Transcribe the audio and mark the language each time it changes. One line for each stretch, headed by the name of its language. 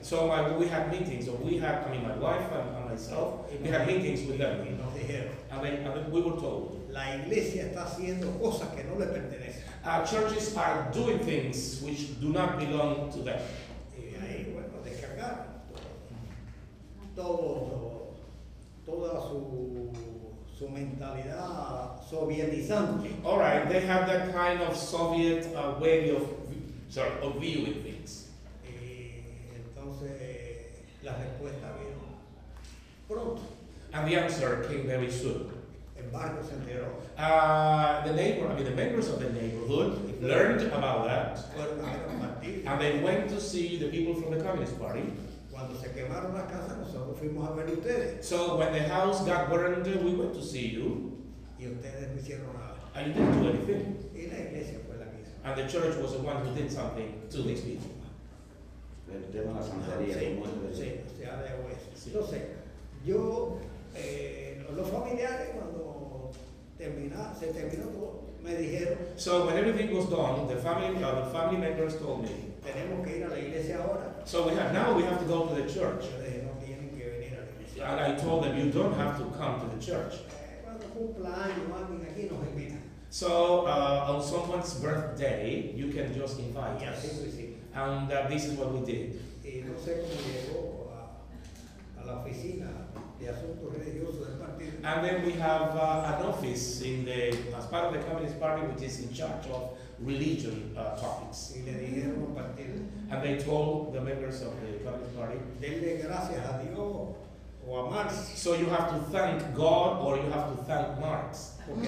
English: So we had meetings, my wife and myself, we had meetings with them.
Spanish: Y nos dijeron,
English: we were told,
Spanish: la iglesia está haciendo cosas que no le pertenecen.
English: Our churches are doing things which do not belong to them.
Spanish: Y ahí, bueno, descargaron toda su mentalidad sovietizante.
English: All right, they have that kind of Soviet way of viewing things.
Spanish: Y entonces la respuesta vino pronto.
English: And the answer came very soon.
Spanish: El barrio se enteró.
English: The members of the neighborhood learned about that. And they went to see the people from the Communist Party.
Spanish: Cuando se quemaron las casas, nosotros fuimos a ver ustedes.
English: So when the house got burned, we went to see you.
Spanish: Y ustedes no hicieron nada.
English: And you didn't do anything.
Spanish: Y la iglesia fue la que hizo.
English: And the church was the one who did something to these people.
Spanish: El tema de la santería. se ha dejado eso. Entonces, yo, los familiares, cuando se terminó todo, me dijeron.
English: So when everything was done, the family members told me.
Spanish: Tenemos que ir a la iglesia ahora.
English: So we have to go to the church.
Spanish: No tienen que venir a la iglesia.
English: And I told them, you don't have to come to the church.
Spanish: Cuando cumpla años, alguien aquí nos invita.
English: So on someone's birthday, you can just invite us.
Spanish: Sí, sí, sí.
English: And this is what we did.
Spanish: Y no sé cómo llegó a la oficina de asuntos religiosos del partido.
English: And then we have an office in the as part of the Communist Party, which is in charge of religion topics.
Spanish: Y le dijeron al partido.
English: And they told the members of the Communist Party.
Spanish: Denle gracias a Dios o a Marx.
English: So you have to thank God or you have to thank Marx.